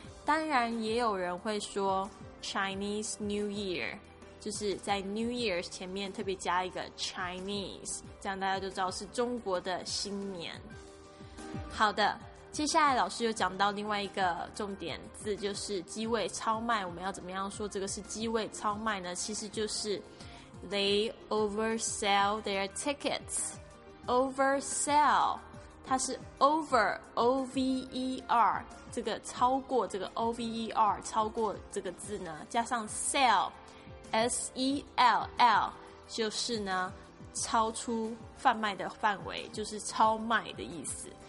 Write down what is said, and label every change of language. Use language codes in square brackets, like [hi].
[zh] 当然也有人会说 Chinese New Year，就是在 New Year 前面特别加一个 Chinese， 这样大家就知道是中国的新年。好的，接下来老师又讲到另外一个重点字，就是机位超卖。我们要怎么样说这个是机位超卖呢？其实就是 [en] They oversell their tickets。 [zh] Oversell 它是 over O-V-E-R， 这个超过这个 O-V-E-R 超过这个字呢加上 sell S-E-L-L 就是呢超出贩卖的范围，就是超卖的意思。